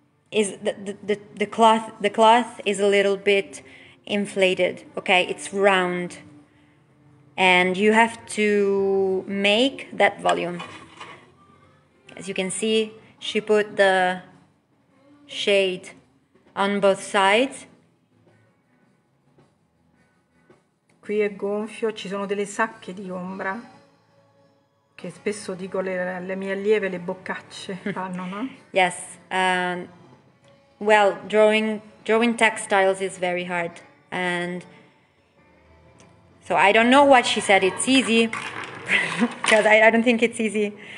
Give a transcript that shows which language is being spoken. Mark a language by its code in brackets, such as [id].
[en] Is the cloth is a little bit inflated, okay? It's round. And you have to make that volume. As you can see, she put the shade on both sides. [it] Qui è gonfio, ci sono delle sacche di ombra che spesso dico le mie allieve, le boccacce fanno, no? [en] Yes. Well, drawing textiles is very hard, and so I don't know what she said. It's easy, because I don't think it's easy.